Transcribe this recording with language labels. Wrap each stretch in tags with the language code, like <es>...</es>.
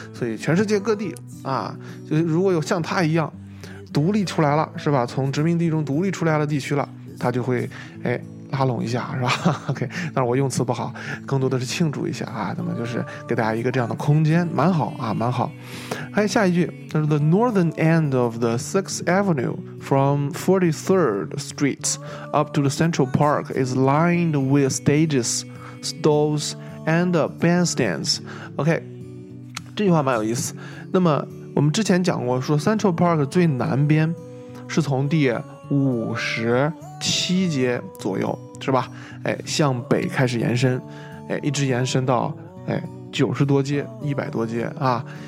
<zh>所以全世界各地啊，就如果有像他一样独立出来了，是吧？从殖民地中独立出来的地区了，他就会拉拢一下，是吧？ OK， 但是我用词不好，更多的是庆祝一下啊，那么就是给大家一个这样的空间，蛮好啊，蛮好。还有下一句，就是</zh> <en>The northern end of the 6th Avenue from 43rd Street up to the Central Park is lined with stages, stalls, and bandstands.</en> <zh>OK， 这句话蛮有意思。那么我们之前讲过，说 Central Park 最南边是从第57街左右，是吧？向北开始延伸，一直延伸到90多街、100多街啊。</zh>